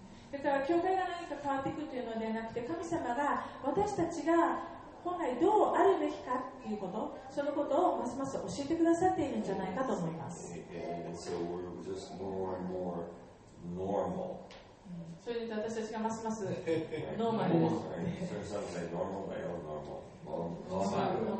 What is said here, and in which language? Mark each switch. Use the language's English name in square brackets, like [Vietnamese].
[Japanese] だから教会が何か変わっていくというのではなくて、神様が私たちが本来どうあるべきかということ、そのことをますます教えてくださっているんじゃないかと思います。 [English] So we're just more and more normal. [Japanese] それで私たちがますますノーマルです。そういう人たちがノーマルだよ、ノーマル。